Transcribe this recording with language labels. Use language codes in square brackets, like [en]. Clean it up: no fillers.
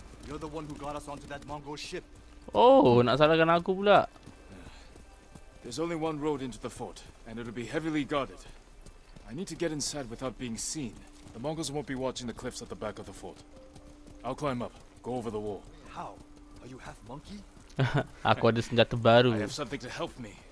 [en] You're the one who got us onto that Mongol ship. [ms] Oh, nak salahkan aku pula. [en] There's only one road into the fort and it'll be heavily guarded. I need to get inside without being seen. The Mongols won't be watching the cliffs at the back of the fort. I'll climb up, go over the wall. How? Are you half monkey? [ms] Aku ada senjata baru. [en] I have something to help me.